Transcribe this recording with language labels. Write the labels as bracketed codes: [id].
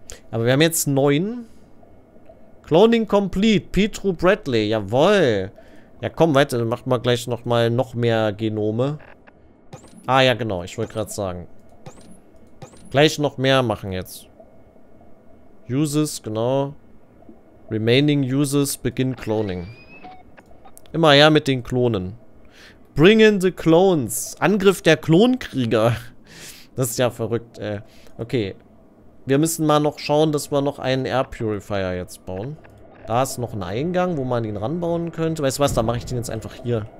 [de] Aber wir haben jetzt 9. [en] Cloning complete. [de] Petru Bradley. Jawohl. Ja, komm, weiter. Dann machen wir gleich nochmal noch mehr Genome. Ah, ja, genau. Ich wollte gerade sagen. gleich noch mehr machen jetzt. Uses, genau. [en] Remaining uses, begin cloning. [de] Immer her mit den Klonen. [en] Bring in the clones. [de] Angriff der Klonkrieger. Das ist ja verrückt, ey. Okay. Wir müssen mal noch schauen, dass wir noch einen Air Purifier jetzt bauen. Da ist noch ein Eingang, wo man ihn ranbauen könnte. Weißt du was, da mache ich den jetzt einfach hier.